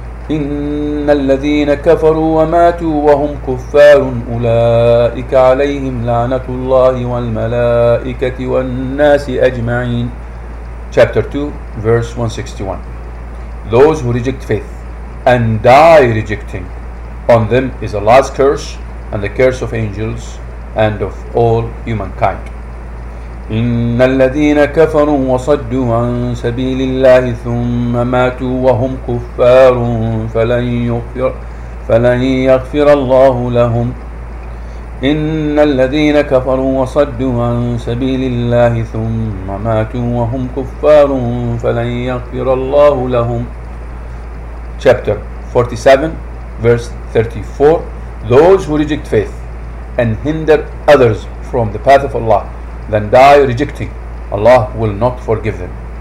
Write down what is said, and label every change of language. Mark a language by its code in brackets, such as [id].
[ar] إن الذين كفروا وماتوا وهم كفار أولئك عليهم لعنة الله والملائكة والناس أجمعين. [en] Chapter 2, verse 161. Those who reject faith and die rejecting, on them is Allah's curse and the curse of angels and of all humankind. [ar] إِنَّ الَّذِينَ كَفَرُوا وَصَدُّوا عَن سَبِيلِ اللَّهِ ثُمَّ مَاتُوا وَهُمْ كُفَّارٌ فَلَن يَغْفِرَ اللَّهُ لَهُمْ إن الذين كفروا وصدوا عن سبيل الله ثم ماتوا وهم كفار فلن يغفر الله لهم. [en] Chapter 47, verse 34. Those who reject faith and hinder others from the path of Allah, then die rejecting, Allah will not forgive them.